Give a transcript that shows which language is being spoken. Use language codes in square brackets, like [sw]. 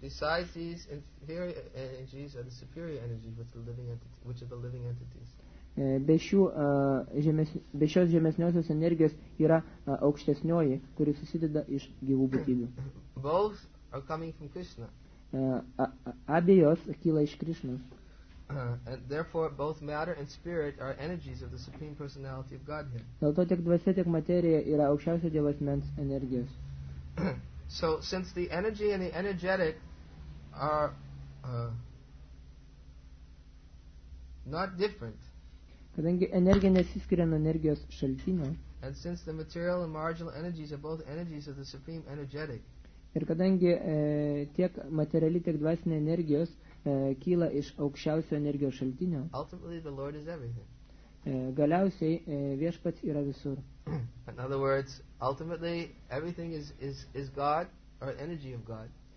[en] Besides these inferior energies are the superior energies which are the living entities. [lt] Be šios žemesniosios energijos yra aukštesnioji, kuri susideda iš gyvų būtybių. [en] Both are coming from Krishna. [lt] Abiejos kyla iš Krishnos. [en] And therefore both matter and spirit are energies of the supreme personality of Godhead. [lt] Dėl to tiek dvasia, tiek materija yra aukščiausio Dievo asmens energijos. [en] So since the energy and the energetic are not different. [lt] Kadangi energija nesiskiria nuo energijos šaltinio. [en] And since the material and marginal energies are both energies of the supreme energetic. [lt] Ir kadangi tiek materiali, tiek dvasinė energijos kyla iš aukščiausio energijos šaltinio. [en] Ultimately the Lord is everything. [lt] Galiausiai viešpats yra visur. [en] In other words, ultimately everything is God or energy of God.